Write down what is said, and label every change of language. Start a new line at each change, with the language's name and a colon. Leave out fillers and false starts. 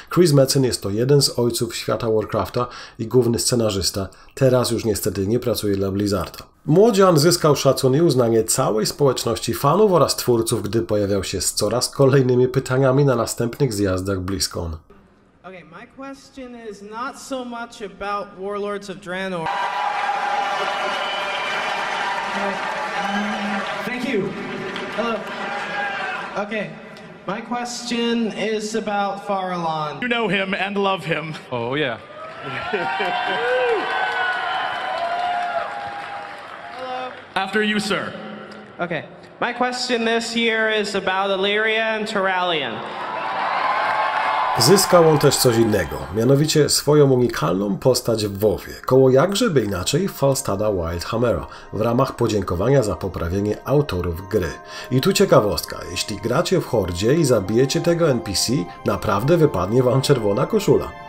Polish: Chris Mecen jest to jeden z ojców świata Warcrafta i główny scenarzysta. Teraz już niestety nie pracuje dla Blizzarda. Młodzian zyskał szacun i uznanie całej społeczności fanów oraz twórców, gdy pojawiał się z coraz kolejnymi pytaniami na następnych zjazdach BlizzCon.
English: Okay, my question is not so much about Warlords of Draenor. Thank you. Hello. Okay, my question is about Farallon. You know him and love him. Oh, yeah. Hello. After you, sir. Okay, my question this year is about Illyria and Tyrallian.
Polish: Zyskał on też coś innego, mianowicie swoją unikalną postać w WoWie, koło jakżeby inaczej Falstada Wildhammera, w ramach podziękowania za poprawienie autorów gry. I tu ciekawostka, jeśli gracie w Hordzie i zabijecie tego NPC, naprawdę wypadnie wam czerwona koszula.